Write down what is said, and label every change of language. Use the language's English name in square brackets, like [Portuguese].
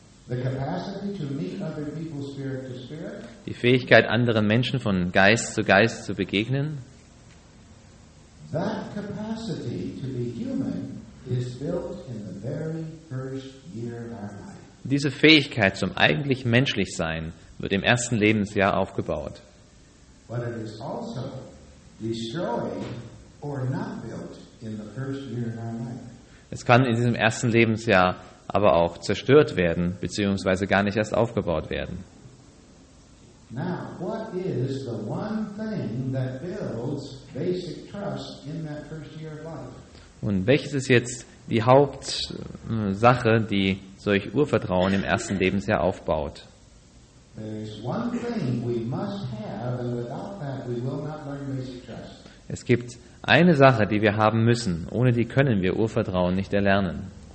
[English] the capacity to meet other people spirit to spirit, [German] die Fähigkeit, anderen Menschen von Geist zu Geist zu begegnen, [English] that capacity to be human is built in the very first year of our life. [German] Diese Fähigkeit zum eigentlich menschlich sein wird im ersten Lebensjahr aufgebaut. [English] But it is also destroyed or not built in the first year of our life. [German] Es kann in diesem ersten Lebensjahr aber auch zerstört werden beziehungsweise gar nicht erst aufgebaut werden. [English] Now, what is the one thing that builds basic trust in that first year of life? [German] Und welches ist jetzt die Hauptsache, die solch Urvertrauen im ersten Lebensjahr aufbaut? Es gibt eine Sache, die wir haben müssen. Ohne die können wir Urvertrauen nicht erlernen.